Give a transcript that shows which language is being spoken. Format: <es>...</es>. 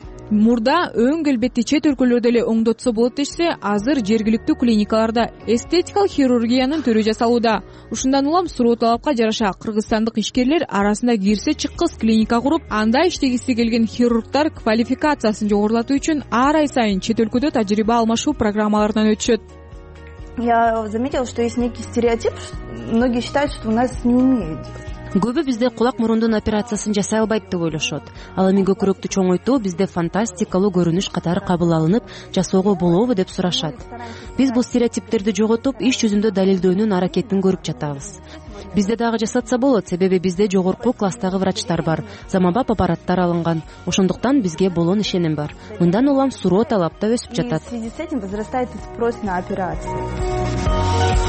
<ky>Мурда өң келбетти чет өлкөлөрдө эле оңдотсо болот дешсе, азыр жергиликтүү клиникаларда эстетикалык хирургиянын түрү жасалууда. Ушундан улам суроо талапка жараша кыргызстандык ишкерлер арасында кирсе чыккыс клиника куруп, анда иштегиси келген хирургтар квалификациясын жогорулатуу үчүн ар ай сайын чет өлкөдө тажрыйба алмашуу программаларынан өтүшөт.</ky> <ru>Я заметил, что есть некий стереотип. Многие считают, что у нас не умеют.</ru> <ky>Көбү бизде кулак мурундун операциясын жасай албайт деп ойлошот. Ал эми көкүрөктү чоңойтуу бизде фантастикалуу көрүнүш катары кабыл алынып, жасоого болобу деп сурашат. Биз бул стереотиптерди жоготуп, иш жүзүндө далилдөөнүн аракетин көрүп жатабыз. Бизде дагы жасатса болот, себеби бизде жогорку класстагы врачтар бар, заманбап аппараттар алынган. Ошондуктан бизге болон ишеним бар. Мындан улам суроо талап да өсүп жатат.</ky> <ru>В связи с этим возрастает спрос на операции.</ru>